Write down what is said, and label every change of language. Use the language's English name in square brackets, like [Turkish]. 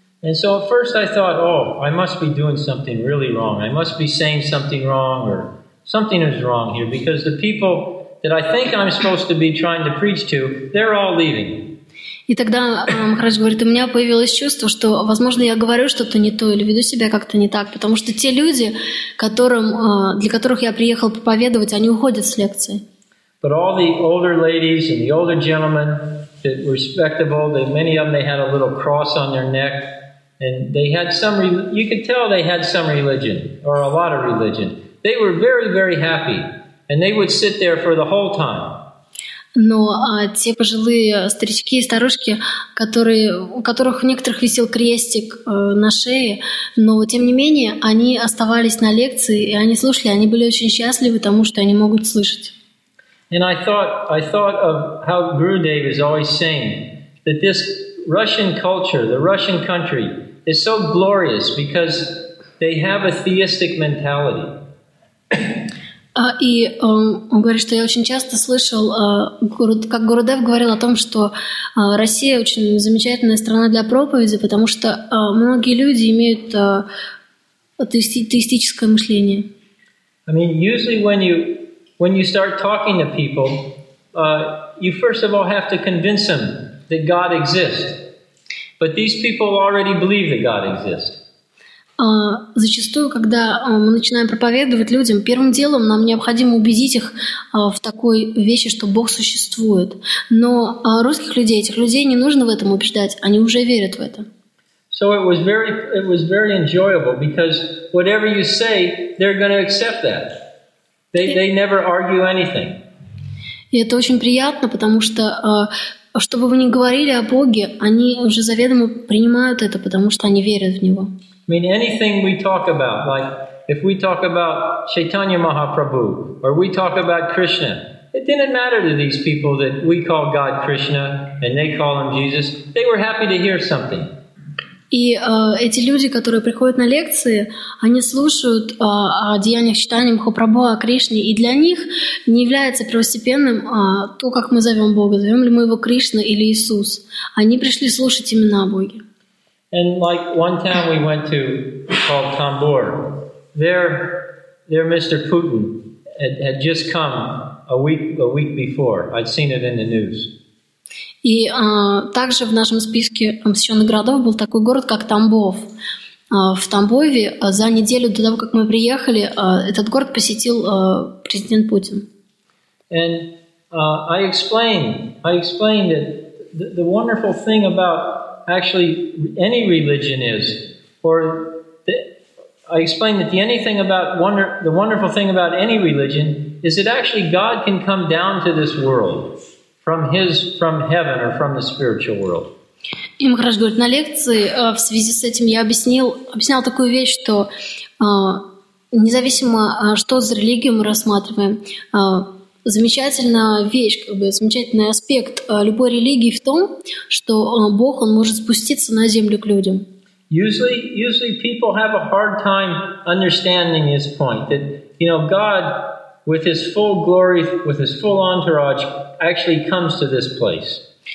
[English] And so at first I thought, oh, I must be doing something really wrong. I must be saying something wrong, or something is wrong here, because the people that I think I'm supposed to be trying to preach to, they're all leaving. [Russian] И тогда Махарадж говорит, у меня появилось чувство, что, возможно, я говорю что-то не то или веду себя как-то не так, потому что те люди, для которых я приехал проповедовать, они уходят с лекции. [English] But all the older ladies and the older gentlemen, that were respectable, many of them, they had a little cross on their neck, and they had some, you could tell they had some religion, or a lot of religion. They were very, very happy, and they would sit there for the whole time. [Russian] Но те пожилые старички и старушки, у которых у некоторых висел крестик на шее, но тем не менее они оставались на лекции, и они слушали, они были очень счастливы тому, что они могут слышать. [English] And I thought of how Gurudev is always saying that this Russian culture, the Russian country, is so glorious because they have a theistic mentality. [Russian] Он говорит, что я очень часто слышал, как Гурудев говорил о том, что Россия очень замечательная страна для проповеди, потому что многие люди имеют атеистическое мышление. [English] I mean, usually when you start talking to people, you first of all have to convince them that God exists. But these people already believe that God exists. [Russian] Зачастую, когда мы начинаем проповедовать людям, первым делом нам необходимо убедить их в такой вещи, что Бог существует. Но русских людей, этих людей не нужно в этом убеждать, они уже верят в это. [English] So it was very enjoyable, because whatever you say, they're going to accept that. They never argue anything. [Russian] И это очень приятно, потому что что бы вы ни говорили о Боге, они уже заведомо принимают это, потому что они верят в Него. [English] I mean, anything we talk about, like if we talk about Chaitanya Mahaprabhu, or we talk about Krishna, it didn't matter to these people that we call God Krishna and they call him Jesus. They were happy to hear something. [Russian] И эти люди, которые приходят на лекции, они слушают о деяниях Чайтаньи Махапрабху, о Кришне, и для них не является первостепенным то, как мы зовем Бога, зовем ли мы его Кришна или Иисус. Они пришли слушать именно о Боге. [English] And like one town we went to called Tambor, there Mr. Putin had just come a week before. I'd seen it in the news. [Russian] И также в нашем списке посещенных городов был такой город, как Тамбов. В Тамбове за неделю до того, как мы приехали, этот город посетил президент Путин. [English] And I explained that the wonderful thing about actually any religion is, the wonderful thing about any religion is that actually God can come down to this world from heaven or from the spiritual world. [Russian] И Махарадж говорит, на лекции в связи с этим я объяснял такую вещь, что независимо, что за религию мы рассматриваем, замечательная вещь, как бы замечательный аспект любой религии в том, что Бог, Он может спуститься на землю к людям. [English] Usually people have a hard time understanding this point, that, you know, God, with His full glory, with His full entourage, actually comes to this place.